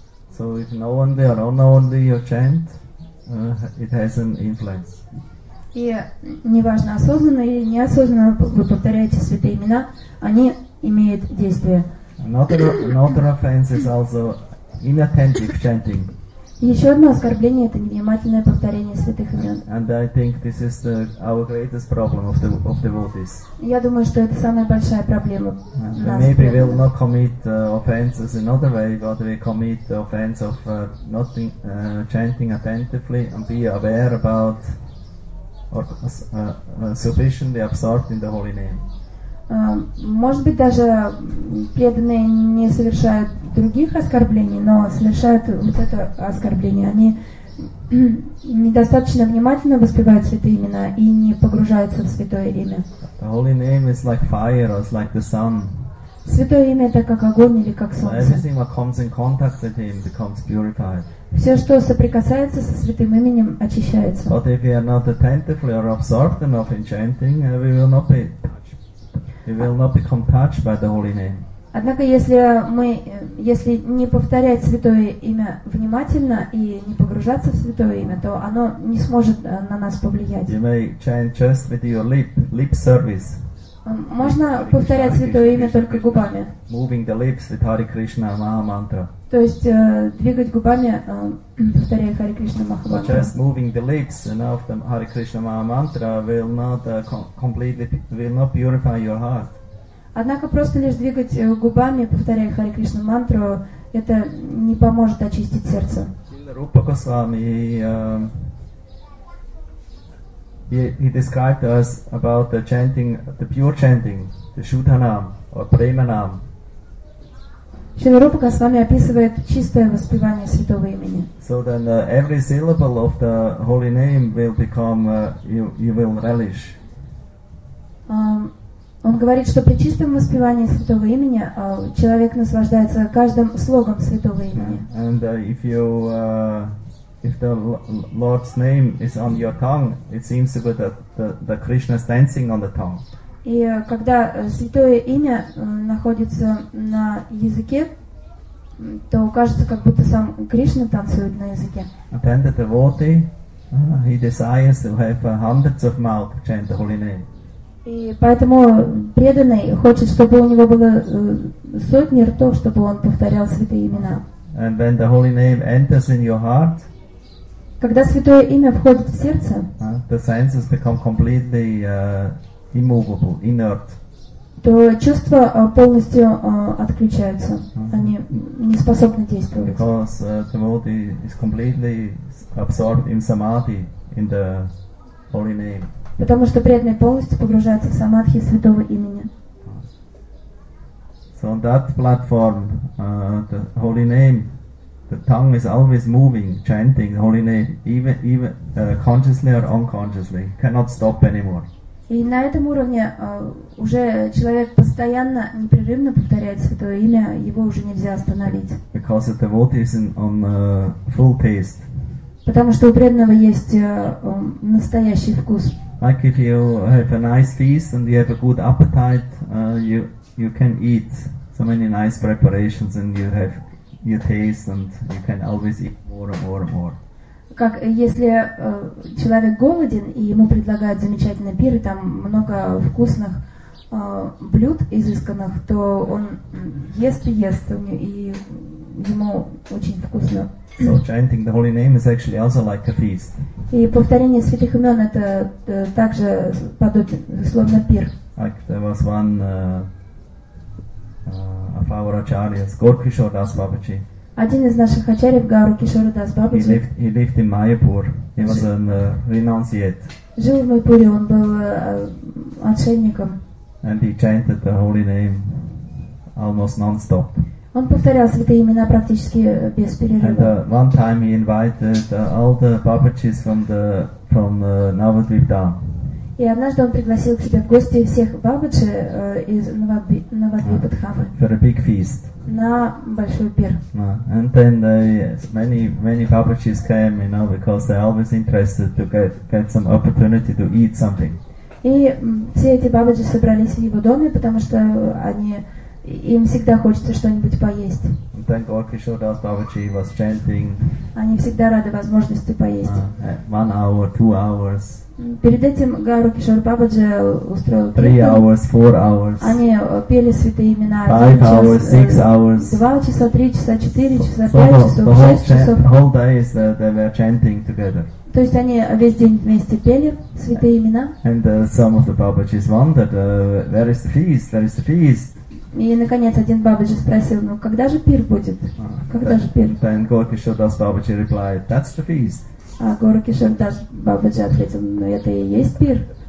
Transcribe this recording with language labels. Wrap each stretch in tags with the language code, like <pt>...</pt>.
<en>So if knowingly or unknowingly you chant, it has an influence.</en> <ru>И неважно, осознанно или неосознанно вы повторяете святые имена, они имеют действие.</ru> <en>Another offense is also inattentive chanting.</en> <ru>Еще одно оскорбление – это невнимательное повторение святых имен.</ru> <en>And I think this is our greatest problem of devotees.</en> <ru>Я думаю, что это самая большая проблема.</ru> <en>Maybe we'll not commit offenses in another way, but we commit the offense of nothing, chanting attentively and be aware about or sufficiently absorbed in the holy name.</en> <ru>Может быть, даже преданные не совершают других оскорблений, но совершают вот это оскорбление. Они недостаточно внимательно воспевают святые имена и не погружаются в святое имя.</ru> <en>The holy name is like fire or like the sun.</en> <ru>Святое имя – это как огонь или как солнце.</ru> <en>Everything that comes in contact with him becomes purified.</en> <ru>Все, что соприкасается со святым именем, очищается.</ru> <en>But if we are not attentively or absorbed enough in chanting, we will not be. You will not become touched by the holy name.</en> <ru>Однако, если не повторять святое имя внимательно и не погружаться в святое имя, то оно не сможет на нас повлиять.</ru> <en>You may chant just with your lip service.</en> <ru>Можно повторять святое имя только губами.</ru> <en>Moving the lips with Hare Krishna Maha Mantra.</en> <ru>То есть двигать губами, повторяя Hare Krishna Maha Mantra.</ru> <en>Just moving the lips enough the Hare Krishna Maha Mantra will not completely will not purify your heart.</en> <ru>Однако просто лишь двигать губами, повторяя Hare Krishna Mantra, это не поможет очистить сердце.</ru> <en>Rupa Goswami, he described to us about the chanting, the pure chanting, the Shuddha Nam or Prema Nam.</en> <ru>Шрила Рупа Госвами описывает чистое воспевание святого имени.</ru> <en>So then every syllable of the holy name will become you will relish.</en> <ru>Он говорит, что при чистом воспевании святого имени человек наслаждается каждым слогом святого имени.</ru> <en>Yeah. And if you if the Lord's name is on your tongue, it seems to be that Krishna is dancing on the tongue.</en> <ru>И когда святое имя находится на языке, то кажется, как будто сам Кришна танцует на языке.</ru> <en>And then the devotee, he desires to have hundreds of mouths chant the holy name.</en> <ru>И поэтому преданный хочет, чтобы у него было сотни ртов, чтобы он повторял святые имена.</ru> <en>And when the holy name enters in your heart,</en> <ru>когда святое имя входит в сердце,</ru> <en>the senses become completely immovable, inert.</en> <ru>То чувства полностью отключаются, mm-hmm. они не способны действовать.</ru> <en>Because the body is completely absorbed in samadhi, in the holy name.</en> <ru>Потому что преданный полностью погружается в самадхи святого имени.</ru> <en>So on that platform, the holy name, the tongue is always moving, chanting the holy name, even consciously or unconsciously, cannot stop anymore.</en> <ru>И на этом уровне уже человек постоянно, непрерывно повторяет святое имя, его уже нельзя остановить.</ru> <en>Because the devotee is on full taste.</en> <ru>Потому что у преданного есть настоящий вкус.</ru> <en>Like if you have a nice feast and you have a good appetite, you can eat so many nice preparations and you have your taste and you can always eat more and more and more.</en> <ru>Как если человек голоден и ему предлагают замечательный пир и там много вкусных блюд изысканных, то он ест и ест и ему очень вкусно.</ru> <en>So chanting the holy name is actually also like a feast.</en> <ru>И повторение святых имен это также подобно словно пир.</ru> <en>Like there was one of our acharyas, Gaur Kishore Das Babaji.</en> <ru>Один из наших ачарьев, Гауру Кишора Дас Бабаджи,</ru> <en>he lived in Майяпур. He was a renunciate.</en> <ru>Жил в Майяпуре, он был отшельником.</ru> <en>And he chanted the holy name almost non-stop.</en> <ru>Он повторял святые имена практически без перерыва.</ru> <en>And one time he invited all the Babajis from Navadvip Dham.</en> <ru>И однажды он пригласил к себе в гости всех Бабаджи из Навадвипа Дхамы.</ru> <en>For a big feast.</en> <ru>На большой пир.</ru> <en>And then many Babajis came, you know, because they're always interested to get some opportunity to eat something.</en> <ru>И все эти Бабаджи собрались в его доме, потому что они им всегда хочется что-нибудь поесть.</ru> <en>Then Gaur Kishore Das Babaji was chanting.</en> <ru>Они всегда рады возможности поесть.</ru> <en>1 hour, 2 hours.</en> <ru>Перед этим Гауру Кишор Бабаджи устроил</ru> <en>3 hours, 4 hours.</en> <ru>Они пели святые имена</ru> <en>5 hours, 6 hours.</en> <ru>2 часа, 3 часа, 4 часа, 5 часов, 6 часов.</ru> <en>Whole days they were chanting together.</en> <ru>То есть они весь день вместе пели святые имена.</ru> <en>And some of the Babajis wondered, where is the feast? Where is the feast?</en> <ru>И наконец один Бабаджи спросил, ну когда же пир будет? Когда же пир?</ru> <en>Then Gaur Kishore Das Babaji replied, that's the feast.</en> <ru>А Гуру Кишоре Дас Бабаджи ответил, ну это и есть пир.</ru>